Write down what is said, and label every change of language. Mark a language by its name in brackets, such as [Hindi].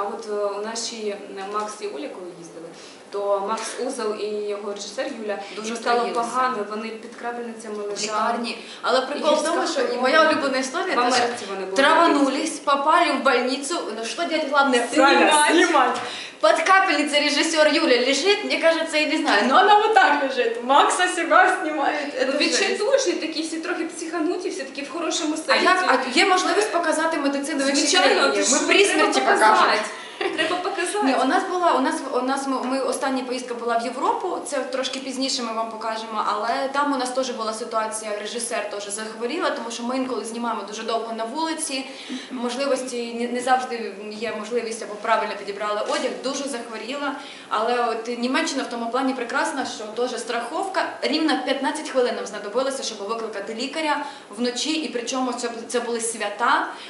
[Ukrainian] А от у нашій Макс і Оля, коли їздили, то Макс Узел і його режисер Юля, дуже стало погано, вони під крапельницями лежали. Але прикол в тому, що моя улюблена історія, то що траванулись, попали в больницю, ну що діяти головне? Знімати! [Russian] Под капельницей режиссер Юля лежит, мне кажется, я не знаю, но она вот так лежит, Макса себя снимает. [Ukrainian] Ну, відчайдушні такі, всі трохи психануті, все таки в хорошому стані. А є можливість показати медицину вичислення? Ми при смерті покажемо. Треба показати. Ні, у нас була, у нас ми остання поїздка була в Європу, це трошки пізніше ми вам покажемо, але там у нас теж була ситуація, режисер теж захворіла, тому що ми інколи знімаємо дуже довго на вулиці, можливості, не завжди є можливість, або правильно підібрали одяг, дуже захворіла, але от Німеччина в тому плані прекрасна, що теж страховка, рівно 15 хвилин нам знадобилося, щоб викликати лікаря вночі, і причому це були свята.